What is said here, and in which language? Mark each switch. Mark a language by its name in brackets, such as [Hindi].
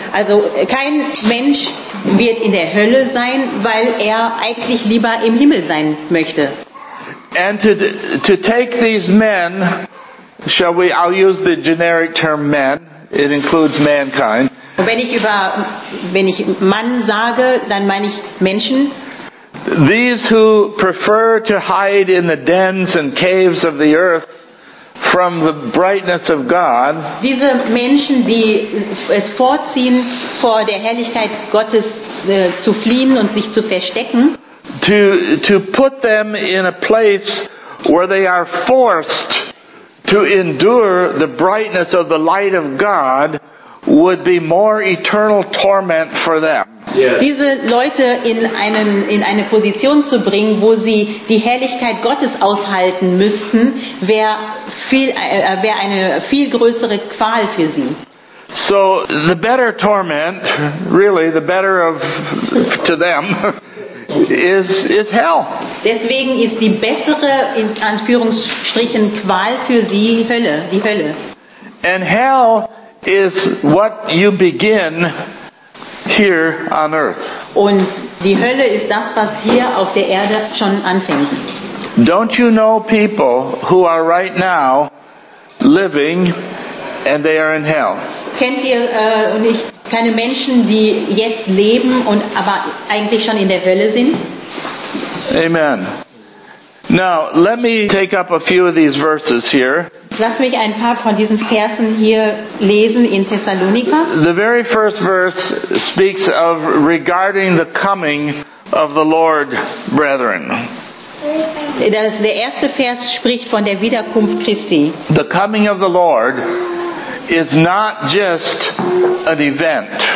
[German] Also kein Mensch wird in der Hölle sein, weil er eigentlich lieber im Himmel sein möchte. [English] And to take these men, I'll use the generic term men, it includes mankind. [German] Und wenn ich Mann sage, dann meine ich Menschen. [English] These who prefer to hide in the dens and caves of the earth from the brightness of God. [German] Diese Menschen, die es vorziehen, vor der Herrlichkeit Gottes zu fliehen und sich zu verstecken. [English] To put them in a place where they are forced to endure the brightness of the light of God would be more eternal torment for them. Yes. [German] Diese Leute in eine Position zu bringen, wo sie die Herrlichkeit Gottes aushalten müssten, wäre eine viel größere Qual für sie. [English] So the better torment, really the better of to them, is hell. [German] Deswegen ist die bessere, in Anführungsstrichen, Qual für sie Hölle, die Hölle. [English] And hell is what you begin here on earth. [German] Und die Hölle ist das, was hier auf der Erde schon anfängt. [English] Don't you know people who are right now living and they are in hell? [German] Kennt ihr nicht keine Menschen, die jetzt leben und aber eigentlich schon in der Hölle sind? [English] Amen. Now, let me take up a few of these verses here. [German] Lass mich ein paar von diesen Versen hier lesen in Thessalonica. [English] The very first verse speaks of regarding the coming of the Lord, brethren. [German] Der erste Vers spricht von der Wiederkunft Christi. [English] The coming of the Lord is not just an event.